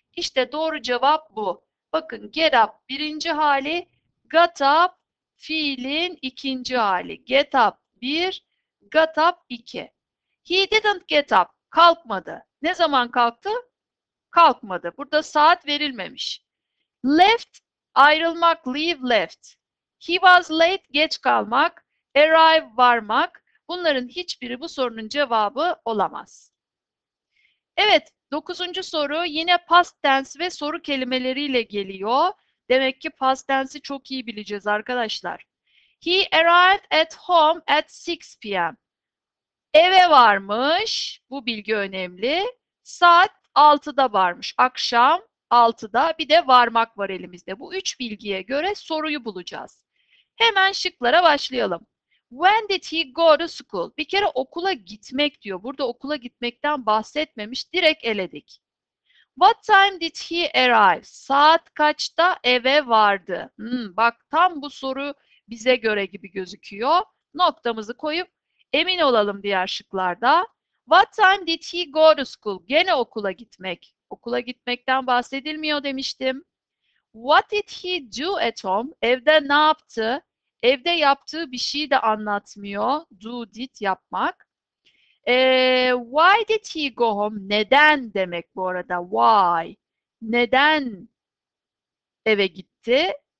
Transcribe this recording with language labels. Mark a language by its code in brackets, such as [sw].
[tr] İşte doğru cevap bu. Bakın get up birinci hali, got up fiilin ikinci hali. [en] Get up 1, got up 2. He didn't get up, [tr] kalkmadı. Ne zaman kalktı? Kalkmadı. Burada saat verilmemiş. Left, ayrılmak, leave left. He was late, geç kalmak. Arrive, varmak. Bunların hiçbiri bu sorunun cevabı olamaz. Evet, dokuzuncu soru yine past tense ve soru kelimeleriyle geliyor. Demek ki past tense'i çok iyi bileceğiz arkadaşlar. [en] He arrived at home at 6 p.m. [tr] Eve varmış. Bu bilgi önemli. Saat 6'da varmış. Akşam 6'da, bir de varmak var elimizde. Bu üç bilgiye göre soruyu bulacağız. Hemen şıklara başlayalım. [en] When did he go to school? [tr] Bir kere okula gitmek diyor. Burada okula gitmekten bahsetmemiş. Direkt eledik. [en] What time did he arrive? [tr] Saat kaçta eve vardı? Bak tam bu soru bize göre gibi gözüküyor. Noktamızı koyup emin olalım diğer şıklarda. [en] What time did he go to school? [tr] Gene okula gitmek. Okula gitmekten bahsedilmiyor demiştim. [en] What did he do at home? [tr] Evde ne yaptı? Evde yaptığı bir şey de anlatmıyor. [en] Do, did, yapmak. Why did he go home? [tr] Neden demek bu arada. Why? Neden eve gitti?